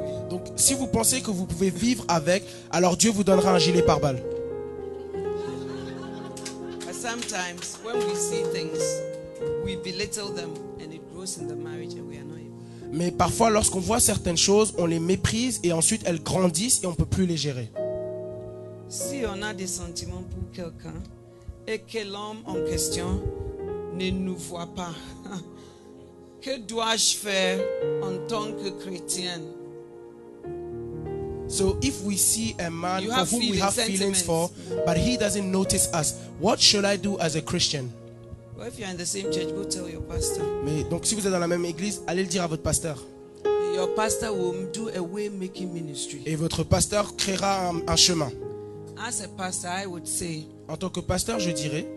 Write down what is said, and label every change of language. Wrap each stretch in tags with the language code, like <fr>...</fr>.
<fr>Donc si vous pensez que vous pouvez vivre avec, alors Dieu vous donnera un gilet pare-balles.</fr> <en>But sometimes when we see things, we belittle them and it grows in the marriage and we are not able.</en> <fr>Mais parfois lorsqu'on voit certaines choses, on les méprise et ensuite elles grandissent et on peut plus les gérer. Si on a des sentiments pour quelqu'un et que l'homme en question ne nous voit pas, que dois-je faire en tant que chrétienne?</fr> <en>So if we see a man for whom we have feelings for, but he doesn't notice us, what should I do as a Christian? Well, if you are in the same church, go tell your pastor.</en> <fr>Mais donc si vous êtes dans la même église, allez le dire à votre pasteur.</fr> <en>Your pastor will do a way-making ministry.</en> <fr>Et votre pasteur créera un chemin.</fr> <en>As a pastor, I would say.</en> <fr>En tant que pasteur, je dirais.</fr>